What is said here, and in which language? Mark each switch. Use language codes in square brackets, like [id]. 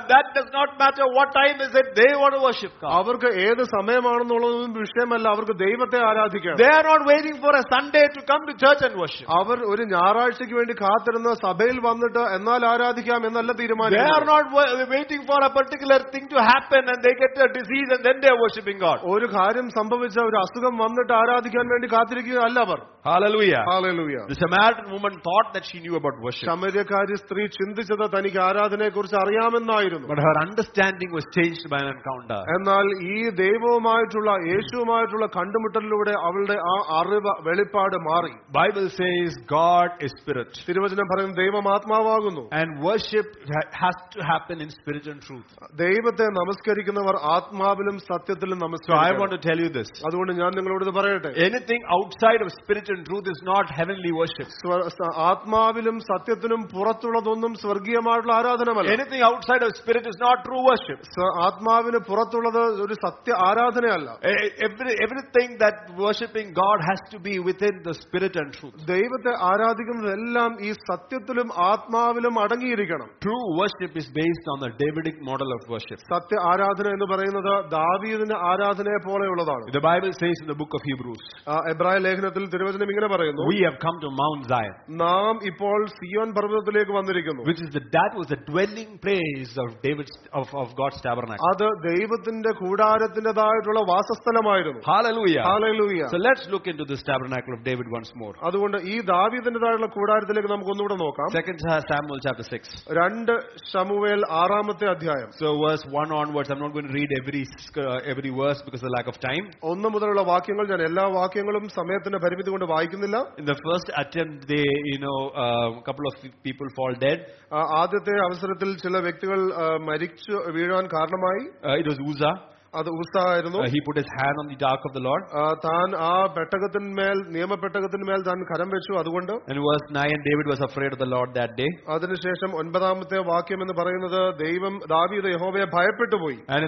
[en] That does not matter what time is it, they want to worship God. [ml] അവർക്ക് ഏത് സമയമാണെന്നുള്ളതൊന്നും വിഷയമല്ല, അവർക്ക് ദൈവത്തെ ആരാധിക്കണം. [en] They are not waiting for a Sunday to come to church and worship. [ml] അവർ ഒരു ഞായറാഴ്ചയ്ക്ക് വേണ്ടി കാത്തിരുന്ന സഭയിൽ വന്നിട്ട് എന്നാൽ ആരാധിക്കാം എന്നല്ല തീരുമാനം. [en] They are not waiting for a particular thing to happen and they get a disease and then they are worshiping God. [ml] ഒരു കാര്യം സംഭവിച്ച ഒരു അസുഖം വന്നിട്ട് ആരാധിക്കാൻ വേണ്ടി കാത്തിരിക്കുകയല്ല അവർ. [en] Hallelujah. [ml] Hallelujah. [en] The Samaritan woman thought that she knew about worship. [ml] ശമര്യക്കാരി സ്ത്രീ ചിന്തിച്ചത് തനിക്ക് ആരാധനയെക്കുറിച്ച് അറിയാമെന്നായിരുന്നു. [en] But her understanding was changed by an encounter. [ml] എന്നാൽ ഈ ദൈവവുമായിട്ടുള്ള യേശുവുമായിട്ടുള്ള കണ്ടുമുട്ടലിലൂടെ അവളുടെ ആ അറിവ് വെളിപ്പാട് മാറി. [en] Bible says God is spirit. [ml] തിരുവചനം പറയുന്നു ദൈവം ആത്മാവാകുന്നു. [en] And worship has to happen in spirit and truth. [ml] ദൈവത്തെ നമസ്കരിക്കുന്നവർ ആത്മാവിലും സത്യത്തിലും നമസ്കരിക്കണം. [en] I want to tell you this. [ml] അതുകൊണ്ട് ഞാൻ നിങ്ങളോട് ഇത് പറയട്ടെ. [en] Anything outside of spirit and truth is not heavenly worship. [ml] ആത്മാവിലും സത്യത്തിലും പുറത്തുള്ളതൊന്നും സ്വർഗീയമായിട്ടുള്ള ആരാധനമല്ല. [en] Anything outside of spirit is not true worship. [ml] ആത്മാവിന് പുറത്തുള്ളത് ഒരു സത്യ ആരാധനയല്ല. [en] Everything that worshiping God has to be within the spirit and truth. [ml] ദൈവത്തെ ആരാധിക്കുന്നതെല്ലാം ഈ സത്യത്തിലും ആത്മാവിലും അടങ്ങിയിരിക്കണം. [en] True worship is based on the Davidic model of worship. [ml] സത്യ ആരാധന എന്ന് പറയുന്നത് ദാവീദിന്റെ ആരാധന പോലെയുള്ളതാണ്. [en] The Bible says in the book of Hebrews. [ml] എബ്രായ ലേഖനത്തിൽ തിരുവചനം ഇങ്ങനെ പറയുന്നു. [en] We have come to Mount Zion. [ml] നാം ഇപ്പോൾ സിയോൻ പർവ്വതത്തിലേക്ക് വന്നിരിക്കുന്നു. [en] That was the dwelling place of David's of God's tabernacle. [ml] അത് ദൈവത്തിന്റെ കൂടാരത്തിന്റേതായിട്ടുള്ള വാസസ്ഥലമായിരുന്നു. [en] Hallelujah. [ml] Hallelujah. [en] So let's look into this tabernacle of David once more. [ml] അതുകൊണ്ട് ഈ ദാവീദിന്റേതായുള്ള കൂടാരത്തിലേക്ക് നമുക്ക് ഒന്നുകൂടെ നോക്കാം. [en] 2 Samuel chapter 6. [ml] 2 ശമൂവേൽ 6-ാമത്തെ അധ്യായം. [en] So verse 1 onwards, I'm not going to read every verse because of the lack of time. [ml] ഒന്ന് മുതലുള്ള വാക്യങ്ങൾ ഞാൻ എല്ലാ വാക്യങ്ങളും സമയത്തിന്റെ പരിമിതി കൊണ്ട് വായിക്കുന്നില്ല. [en] In the first attempt they couple of people fall dead. [ml] ആദ്യത്തെ അവസരത്തിൽ ചില വ്യക്തികൾ മരിച്ചു വീഴാൻ കാരണമായി. [en] It was Uzzah. [ml] അത് ഊസ ആയിരുന്നു. [en] He put his hand on the ark of the Lord. [ml] താൻ ആ പെട്ടകത്തിന്മേൽ, നിയമപെട്ടകത്തിന്മേൽ താൻ കരം വെച്ചു. അതുകൊണ്ട് [en] Verse 9, David was afraid of the Lord that day. [ml] അതിനുശേഷം 9-ാമത്തെ വാക്യം എന്ന് പറയുന്നത് ദൈവം, ദാവീദ് യഹോവയെ ഭയപ്പെട്ടു പോയി.